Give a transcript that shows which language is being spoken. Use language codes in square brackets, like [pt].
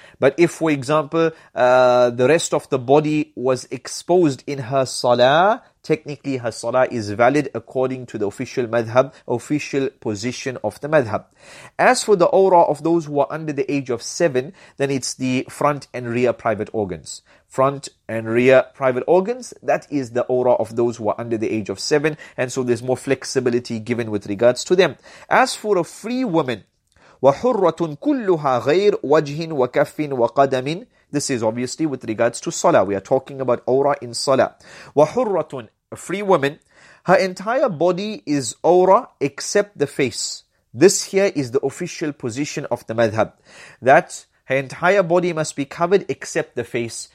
[en] But if, for example, the rest of the body was exposed in her salah, technically her salah is valid according to the official madhab, official position of the madhab. As for the aura of those who are under the age of 7, then it's the front and rear private organs. Front and rear private organs, that is the aura of those who are under the age of 7, and so there's more flexibility given with regards to them. As for a free woman, [ar] وَحُرَّةٌ كُلُّهَا غَيْرْ وَجْهٍ وَكَفٍ وَقَدَمٍ. [en] This is obviously with regards to salah. We are talking about awrah in salah. وَحُرَّةٌ, a free woman, her entire body is awrah except the face. This here is the official position of the madhab. That her entire body must be covered except the face.